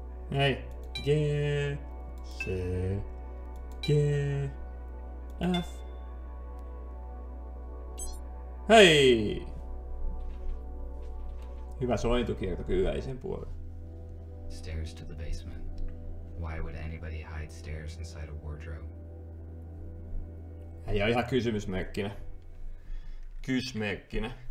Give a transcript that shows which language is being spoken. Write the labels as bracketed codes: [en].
[fi] Hei. G. C. G. F. Hei! Hyvä sointukierto kyllä, ei sen puolella. [en] Stairs to the basement. Why would anybody hide stairs inside a wardrobe? [fi] Ei ole ihan kysymysmerkkinä. Kysymysmerkkinä.